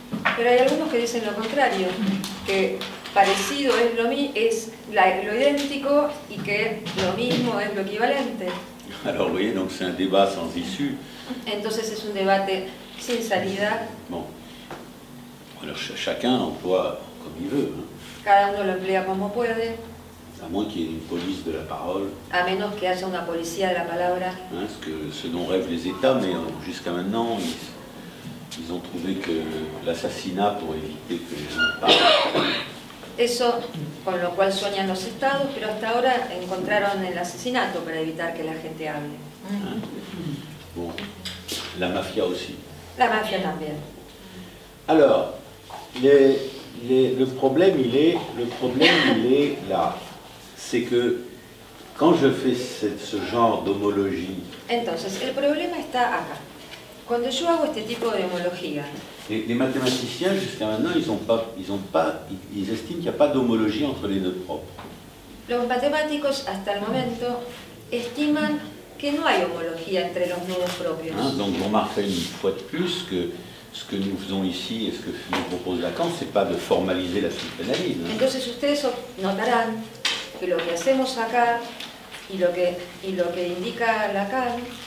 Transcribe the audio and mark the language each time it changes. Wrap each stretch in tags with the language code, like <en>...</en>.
<fr>Mais il y a des gens qui disent le contraire,</fr> <es>que parecido es lo mismo, es lo idéntico y que lo mismo es lo equivalente.</es> <fr>Alors, vous voyez, donc c'est un débat sans issue.</fr> <es>Entonces es un debate sin salida.</es> <fr>Bon. Alors, chacun emploie comme il veut.</fr> <es>Cada uno lo emplea como puede.</es> <fr>À moins qu'il y ait une police de la parole.</fr> <es>A menos que haya una policía de la palabra.</es> <fr>Hein, ce dont rêvent les États, mais jusqu'à maintenant, ils ont trouvé que l'assassinat pour éviter que les gens parlent.</fr> <es>Eso con lo cual sueñan los estados, pero hasta ahora encontraron el asesinato para evitar que la gente hable.</es> <fr>Bon. La mafia aussi.</fr> <es>La mafia también.</es> <fr>Alors, le problème, il est là. C'est que quand je fais ce genre d'homologie...</fr> <es>Entonces, el problema está acá. Cuando yo hago este tipo de homología...</es> <fr>Les mathématiciens, jusqu'à maintenant, ils estiment qu'il n'y a pas d'homologie entre les nœuds propres.</fr> <es>Los matemáticos, hasta el momento, estiman que no hay homología entre los nœuds propios.</es> <fr>Hein, donc, on remarque une fois de plus que ce que nous faisons ici et ce que nous propose Lacan, c'est pas de formaliser la psychanalyse. Hein.</fr> <es>Entonces, ustedes notarán que lo que hacemos acá y lo que indica Lacan,</es>